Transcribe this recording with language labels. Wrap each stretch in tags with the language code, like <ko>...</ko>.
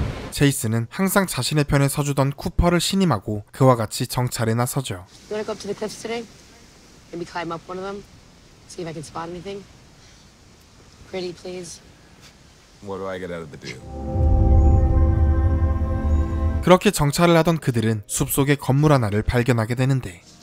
<ko>Jason은 항상 자신의 편에 서주던 쿠퍼를 신임하고 그와 같이 정찰에 나서죠.</ko> <en>You wanna go up to the cliffs today? Maybe climb up one of them? See if I can spot anything? Pretty, please. What do I get out of the deal?</en> <ko>그렇게 정찰을 하던 그들은 숲속에 건물 하나를 발견하게 되는데.</ko>